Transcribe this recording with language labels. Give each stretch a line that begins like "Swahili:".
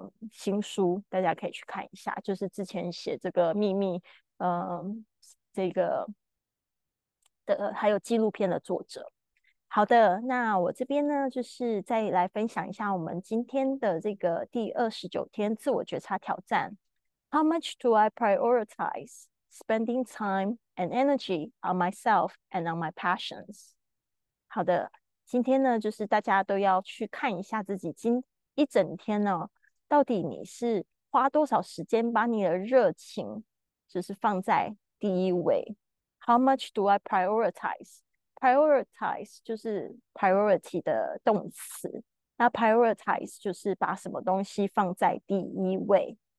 Chinese: 新书大家可以去看一下，就是之前写这个秘密，这个的还有纪录片的作者。好的，那我这边呢，就是再来分享一下我们今天的这个第29天自我觉察挑战。
English: How much do I prioritize spending time and energy on myself and on my passions？
Chinese: 好的，今天呢，就是大家都要去看一下自己今一整天呢。到底你是花多少时间把你的热情就是放在第一位？
English: How much do I prioritize？
Chinese: Prioritize 就是 priority 的动词，那 prioritize 就是把什么东西放在第一位。